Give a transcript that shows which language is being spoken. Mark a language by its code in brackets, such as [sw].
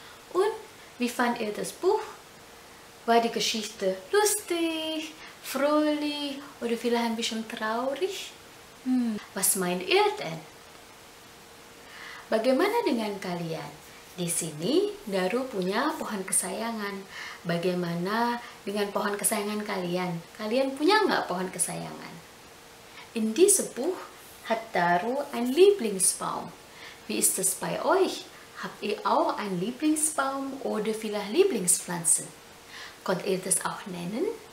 [de] Und, wie fand ihr das Buch? War die Geschichte lustig, fröhlich oder vielleicht ein bisschen traurig? Was meint ihr denn? [id] Bagaimana dengan kalian? Di sini, Daru punya pohon kesayangan. Bagaimana dengan pohon kesayangan kalian? Kalian punya nggak pohon kesayangan? [de] In diesem Buch hat Daru ein Lieblingsbaum. Wie ist es bei euch? Habt ihr auch ein Lieblingsbaum oder vielleicht Lieblingspflanzen? Könnt ihr das auch nennen?